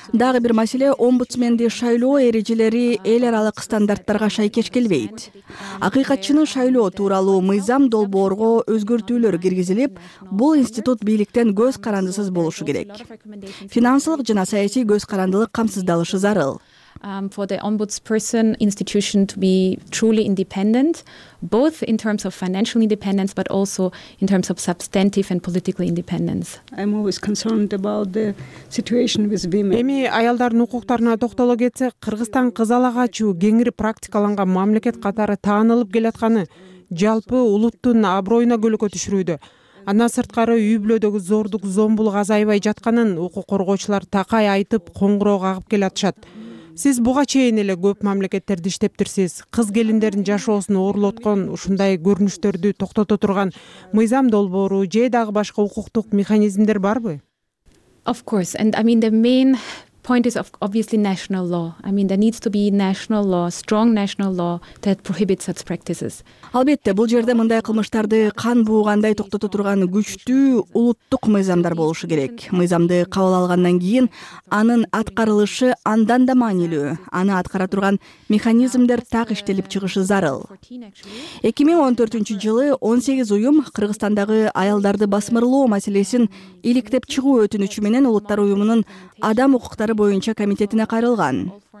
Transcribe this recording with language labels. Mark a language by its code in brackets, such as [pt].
[ky] Дагы бир маселе омбудсменди шайлоо эрежелери эл аралык стандарттарга шайкеш келбейт. Акыйкатчыны шайлоо тууралуу мыйзам долбоорго өзгөртүүлөр киргизилип, бул институт бийликтен көз карандысыз болушу керек. Финансылык жана саясий көз карандылык камсыздалышы зарыл. [en] For the ombudsperson institution to be truly independent, both in terms of financial independence, but also in terms of substantive and political independence. I'm always concerned about the situation with women. [ky] Эми аялдардын укуктарына токтоло кетсек, Кыргызстан кыз ала качуу кеңири практикаланган мамлекет катары таанылып келатканы жалпы улуттун абройуна көлөкө түшүрүүдө. Андан сырткары үй-бүлөдөгү зордук зомбулук азайбай жатканын укук коргоочулар такай айтып коңгуроо кагып келатышат. Сиз буга чейин эле көп мамлекеттерди иштептирсиз. Кыз келиндердин жашоосун оорлоткон ушундай көрүнүштөрдү токтото турган мыйзам долбоору же дагы башка укуктук механизмдер барбы? [en] Of course, and I mean the main point is obviously national law. I mean there needs to be national law, strong national law that prohibits such practices. [ky] Албетте, бул жерде мындай кылмыштарды кан буугандай токтото турган күчтүү улуттук мыйзамдар болушу керек. Мыйзамды кабыл алгандан кийин анын аткарылышы андан да маанилүү. Аны аткара турган механизмдер так иштелип чыгышы зарыл. 2014 жылы 18 уюм Кыргызстандагы аялдарды басмырлоо маселесин иликтеп чыгуу өтүнүчү менен Улуттар уюмунун адам укуктары боюнча комитетине кайрылган.